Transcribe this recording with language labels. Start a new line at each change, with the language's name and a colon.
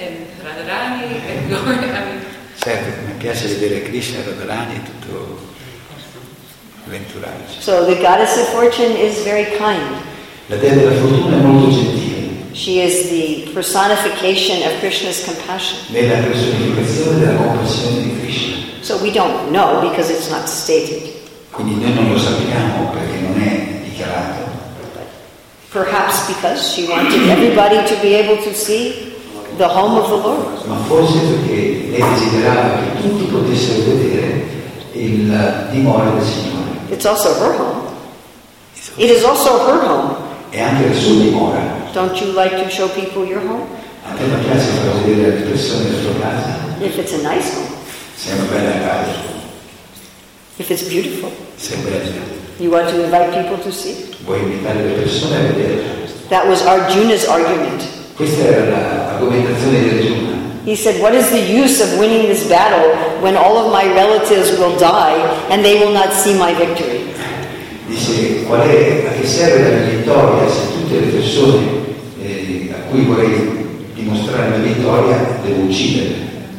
Italian: Mi piace vedere Krishna e Radharani e tutto l'entourage.
English: So the goddess of fortune is very kind.
Italian: La dea della fortuna è molto gentile.
English: She is the personification of Krishna's compassion.
Italian: Lei è la personificazione della compassione di Krishna.
English: So we don't know because it's not stated.
Italian: Quindi noi non lo sappiamo perché non è dichiarato.
English: Perhaps because she wanted everybody to be able to see the home of the Lord.
Italian: Ma forse perché lei desiderava che tutti potessero vedere il dimora del Signore.
English: It's also her home. It is also her home.
Italian: È anche la sua dimora.
English: Don't you like to show people your home?
Italian: A te non piace far vedere le persone la sua casa?
English: If it's a nice home.
Italian: Se è una bella casa.
English: If it's beautiful.
Italian: Se è bella.
English: You want to invite people to see?
Italian: Vuoi invitare le persone a vedere?
English: That was Arjuna's argument.
Italian: Questa era l'argomentazione di Arjuna.
English: He said, what is the use of winning this battle when all of my relatives will die and they will not see my victory?
Italian: Dice, qual è, a che serve la vittoria se tutte le persone a cui vorrei dimostrare la vittoria devo uccidere?